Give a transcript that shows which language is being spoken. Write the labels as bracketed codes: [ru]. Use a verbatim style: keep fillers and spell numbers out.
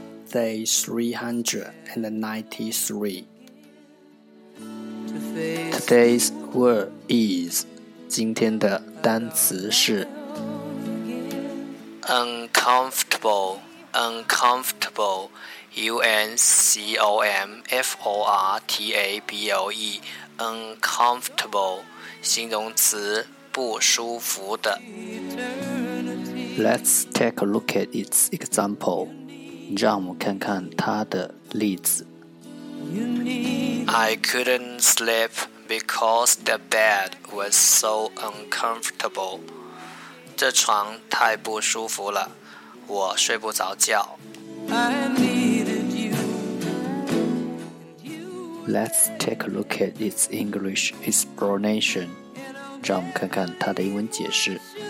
[en] Day three hundred and ninety-three. Today's word is [zh] 今天的单词是 [en] uncomfortable, uncomfortable, U N C O M F O R T A B L E, uncomfortable, [zh] 形容词不舒服的。 [en] Let's take a look at its example. [zh] 让我们看看它的例子。 [en] I couldn't sleep because the bed was so uncomfortable. [zh] 这床太不舒服了，我睡不着觉。 [en] Let's take a look at its English explanation. [zh] 让我们看看它的英文解释。